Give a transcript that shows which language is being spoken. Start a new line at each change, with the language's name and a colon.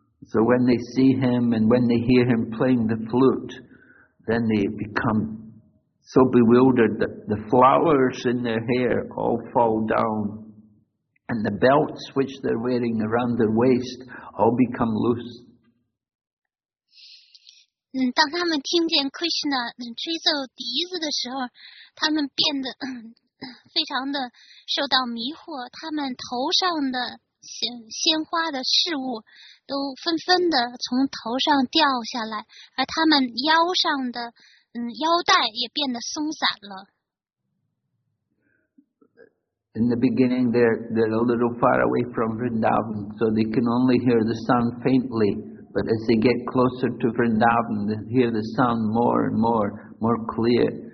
English: So when they see him and when they hear him playing the flute, then they become so bewildered that the flowers in their hair all fall down. And the belts which they're wearing around their waist all become loose.
Chinese: 当他们听见 Krishna 吹奏笛子的时候，他们变得非常的受到迷惑，他们头上的鲜花的饰物都纷纷的从头上掉下来，而他们腰上的腰带也变得松散了。
English: In the beginning, they're a little far away from Vrindavan, so they can only hear the sound faintly. But as they get closer to Vrindavan, they hear the sound more and more, more clear.